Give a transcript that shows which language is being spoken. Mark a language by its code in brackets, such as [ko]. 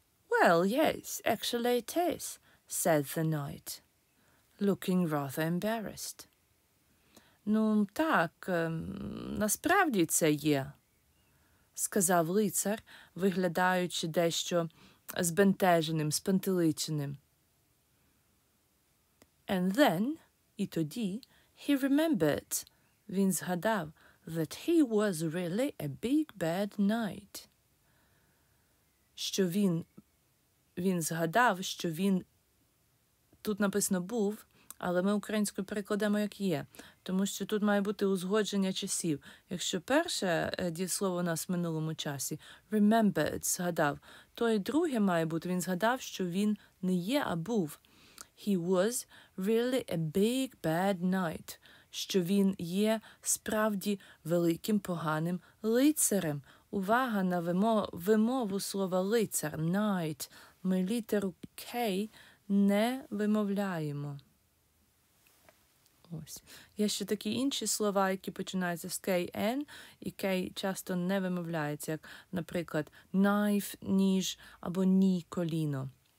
[en] «Well, yes, actually it is», – said the knight, looking rather embarrassed. [uk] «Ну, так, насправді це є», – сказав лицар, виглядаючи дещо збентеженим, спантеличеним. [en] «And then, [uk] і тоді, [en] he remembered», – [uk] він згадав, [en] «that he was really a big bad knight». [uk] Що він згадав, що він, тут написано «був», але ми українською перекладемо як «є», тому що тут має бути узгодження часів. Якщо перше дієслово у нас в минулому часі «remembered» згадав, то і друге має бути, він згадав, що він не є, а був. [en] «He was really a big bad knight», [uk] що він є справді великим поганим лицарем. Увага на вимову слова «лицар» – «knight». Ми літеру «k» не вимовляємо. Ось. Є ще такі інші слова, які починаються з «kn», і «k» часто не вимовляється, як, наприклад, «knife», «ніж» або «ні», «коліно».